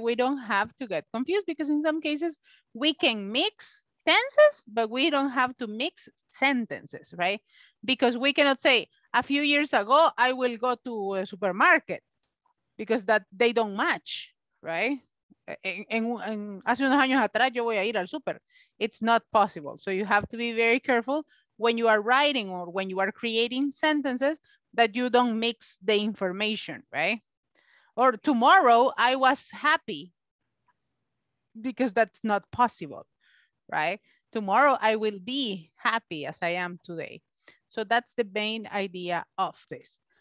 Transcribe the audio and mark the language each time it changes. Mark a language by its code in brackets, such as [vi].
[en] We don't have to get confused because in some cases we can mix tenses, but we don't have to mix sentences, right? Because we cannot say, a few years ago, I will go to a supermarket, because that they don't match, right? [es] En hace unos años atrás, yo voy a ir al super. [en] It's not possible. So you have to be very careful when you are writing or when you are creating sentences that you don't mix the information, right? Or tomorrow, I was happy, because that's not possible, right? Tomorrow, I will be happy as I am today. So that's the main idea of this.